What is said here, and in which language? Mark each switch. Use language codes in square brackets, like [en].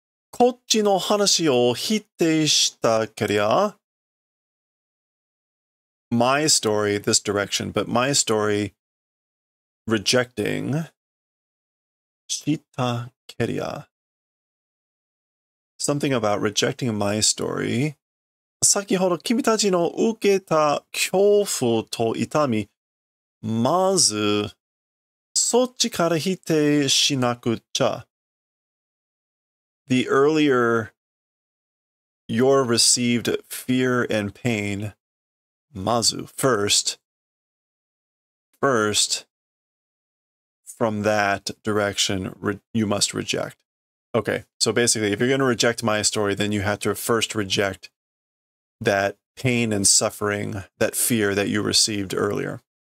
[ja] こっちの話を否定したけりゃ [en] My story, this direction, but my story rejecting [ja] したけりゃ [en] Something about rejecting my story [ja] 先ほど君たちの受けた恐怖と痛みまずそっちから否定しなくちゃ [en] The earlier your received fear and pain, mazu, first, from that direction, you must reject. Okay, so basically, if you're going to reject my story, then you have to first reject that pain and suffering, that fear that you received earlier.